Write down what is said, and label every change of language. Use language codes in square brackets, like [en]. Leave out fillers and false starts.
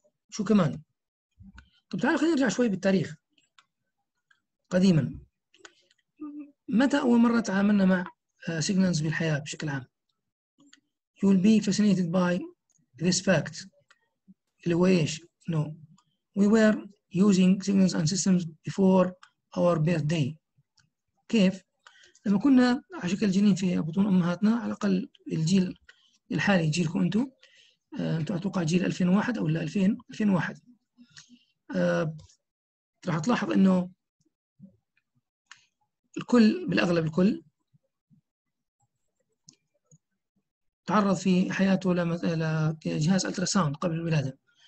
[ar] شو كمان؟ طب تعال خلينا نرجع شوي بالتاريخ قديما. متى اول مره تعاملنا مع سيجنالز بالحياه بشكل عام؟ [en] You will be fascinated by this fact. [ar] اللي هو ايش؟ No. [en] We were using signals and systems before our birthday. [ar] كيف؟ لما كنا على شكل جنين في بطون أمهاتنا، على الأقل الجيل الحالي جيلكم أنتو، أنتو أتوقع جيل 2001 أو لا 2000، 2001. راح تلاحظ أنه الكل بالأغلب الكل تعرض في حياته لجهاز ألتراساوند قبل الولادة.